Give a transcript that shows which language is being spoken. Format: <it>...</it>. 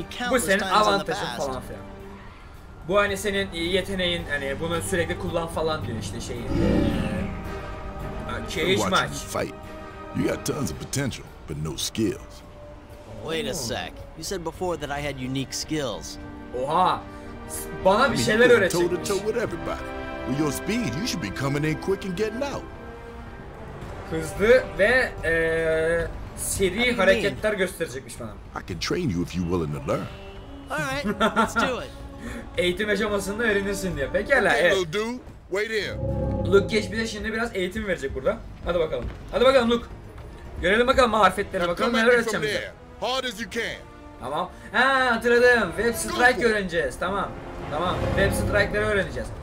<tr>Bu senin avantajın falan filan. Bu hani senin yeteneğin, hani bunu sürekli kullan falan diyor işte şeyi.</tr> <en>Cage match. You got tons of potential, but no skills. Wait a sec. You said before that I had unique skills.</en> <tr>Oha. Bana bir şeyler öğretecekmiş.</tr> <en>With your speed, you should be coming in quick and getting out.</en> <tr>Hızlı ve seri hareketler gösterecekmiş bana.</tr> <en>I can train you if you're willing to learn. All right, let's do it.</en> <tr>Eğitim aşamasında öğrenirsin diye. Pekala, evet.</tr> <en>Okay, dude, wait here.</en> <tr>Luke Cage bize şimdi biraz eğitim verecek burada. Hadi bakalım. Hadi bakalım Luke. Görelim bakalım marifetleri, bakalım neler öğreteceğim bize.</tr> <en>Hard as you can.</en> <tr>Tamam. Hatırladım. Web strike öğreneceğiz. Tamam. Tamam. Web strike'ları öğreneceğiz.</tr>